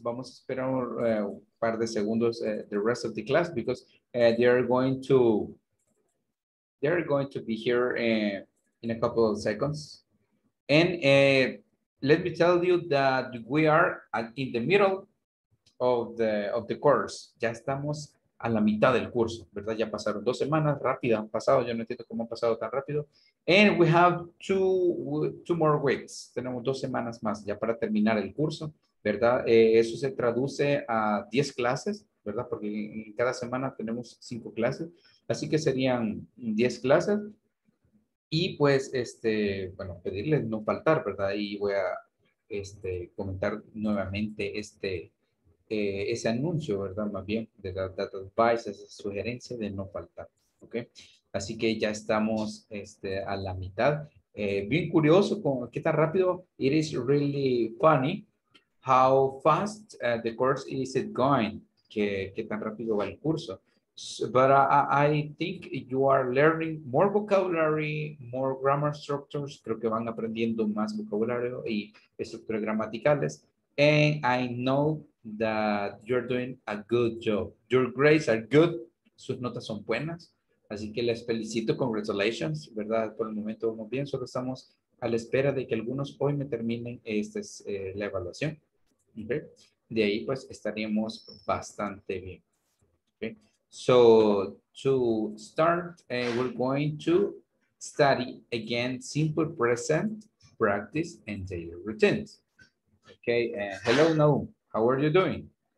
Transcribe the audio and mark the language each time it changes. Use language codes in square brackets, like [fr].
[es] Vamos a esperar un par de segundos [en] the rest of the class because they are going to be here in a couple of seconds. And let me tell you that we are in the middle of the course. [es] Ya estamos a la mitad del curso, ¿verdad? Ya pasaron dos semanas, rápido han pasado, yo no entiendo cómo han pasado tan rápido. [en] And we have two more weeks. [es] Tenemos dos semanas más ya para terminar el curso, ¿verdad? Eso se traduce a 10 clases, ¿verdad? Porque en cada semana tenemos 5 clases. Así que serían 10 clases. Y pues, bueno, pedirles no faltar, ¿verdad? Y voy a comentar nuevamente ese anuncio, ¿verdad? Más bien, de [en] that advice, [es] esa sugerencia de no faltar, ¿ok? Así que ya estamos a la mitad. Bien curioso, ¿qué tan rápido? [en] It is really funny how fast the course is it going. [es] ¿Qué tan rápido va el curso? [en] But I think you are learning more vocabulary, more grammar structures. [es] Creo que van aprendiendo más vocabulario y estructuras gramaticales. [en] And I know that you're doing a good job. Your grades are good. [es] Sus notas son buenas. Así que les felicito. [en] Congratulations, [es] ¿verdad? Por el momento vamos bien. Solo estamos a la espera de que algunos hoy me terminen la evaluación. ¿Okay? De ahí, pues, estaríamos bastante bien. ¿Okay? [en] So, to start, we're going to study again simple present practice and daily routines. Okay, hello, Naum. How are you doing?